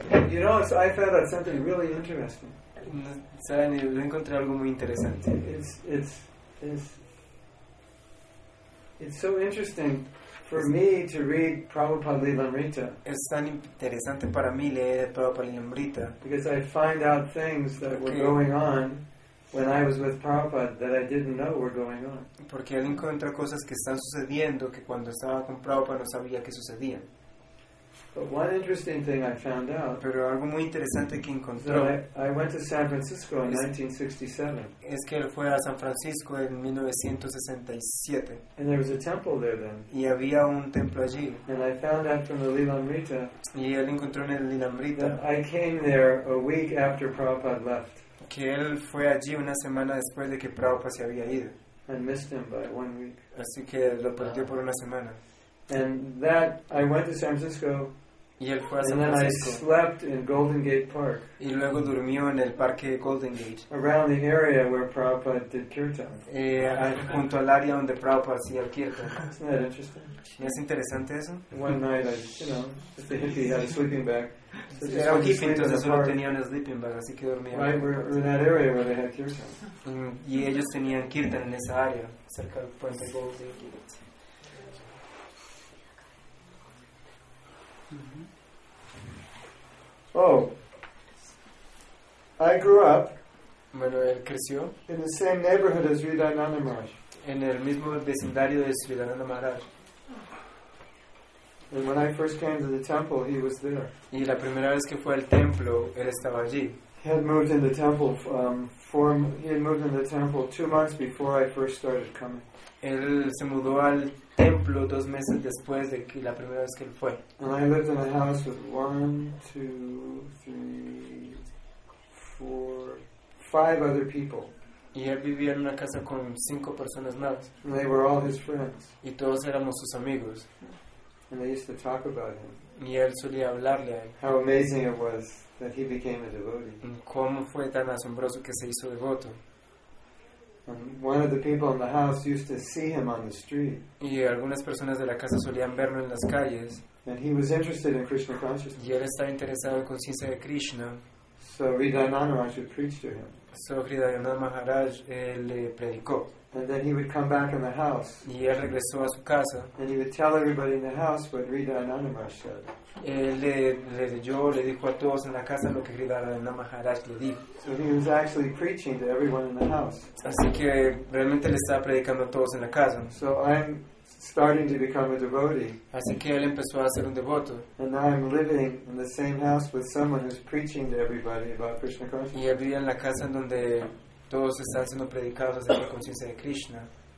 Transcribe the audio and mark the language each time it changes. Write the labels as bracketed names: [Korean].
[English] You know, so I found out something really interesting. [Spanish] ¿Saben? Lo encontré algo muy interesante. [English] It's so interesting for me to read Prabhupada Lilamrita. [Spanish] Es tan interesante para mí leer Prabhupada Lilamrita. [English] Because I find out things that were going on when I was with Prabhupada that I didn't know were going on. [Spanish] Porque él encuentra cosas que están sucediendo que cuando estaba con Prabhupada no sabía que sucedían. [English] But one interesting thing I found out. [Spanish] Pero algo muy interesante que encontró. [English] I went to San Francisco in 1967. [Spanish] Es que él fue a San Francisco en 1967. [English] And there was a temple there then. [Spanish] Y había un templo allí. [English] And I found out from the Lilamrita. [Spanish] Y él encontró en el Lilamrita. [English] That I came there a week after Prabhupada left. [Spanish] Que él fue allí una semana después de que Prabhupada se había ido. [English] And missed him by one week. [Spanish] Así que lo perdió por una semana. [English] And that I went to San Francisco [Spanish] Y él fue a San Francisco. [English] And then I slept in Golden Gate Park. [Spanish] Y luego durmió en el parque Golden Gate. [English] Around the area where Prabhupada did kirtan. [Spanish] Junto al área donde Prabhupada hacía el kirtan. [English] Isn't that interesting? [Spanish] ¿Es interesante eso? [English] One night, I, you know, just a hippie had a sleeping bag. [Spanish] Era un hippie, entonces solo tenía un sleeping bag, así que dormía. [English] Right, we're in that area where they had kirtan. [Spanish] Y ellos tenían kirtan en esa área, cerca del puente Golden Gate. [English] Oh, I grew up. [Spanish] Bueno, él creció [English] in the same neighborhood as Sridharananda Maharaj. [Spanish] En el mismo vecindario de Sridharananda Maharaj. [English] And when I first came to the temple, he was there. [Spanish] Y la primera vez que fue al templo, él estaba allí. [English] He had moved in the temple. He had moved in the temple 2 months before I first started coming. [Spanish] Él se mudó al templo 2 meses después de que la primera vez que él fue. [English] And I lived in a house with 1, 2, 3, 4, 5 other people. [Spanish] Y él vivía en una casa con 5 personas más. [English] And they were all his friends. [Spanish] Y todos éramos sus amigos. [English] And they used to talk about him. [Spanish] Y él solía hablarle a él. [English] How amazing it was that he became a devotee. [Spanish] Cómo fue tan asombroso que se hizo devoto. [English] And one of the people in the house used to see him on the street. [Spanish] Y algunas personas de la casa solían verlo en las calles. [English] And he was interested in Krishna consciousness. [Spanish] Y él estaba interesado en conciencia de Krishna. [English] So Sridharananda Maharaj would preach to him. [Spanish] So Sridharananda Maharaj le predicó. [English] And then he would come back in the house. [Spanish] Y él regresó a su casa. [English] And he would tell everybody in the house what Sridharananda Maharaj said. [Spanish] Él le dijo a todos en la casa lo que Sridharananda Maharaj le dijo. [English] So he was actually preaching to everyone in the house. [Spanish] Así que realmente le estaba predicando a todos en la casa. [English] So I'm starting to become a devotee. [Spanish] Así que él empezó a ser un devoto. [English] And now I'm living in the same house with someone who's preaching to everybody about Krishna consciousness. [Spanish] Y él vivía en la casa en donde todos están siendo predicados de la conciencia de Krishna.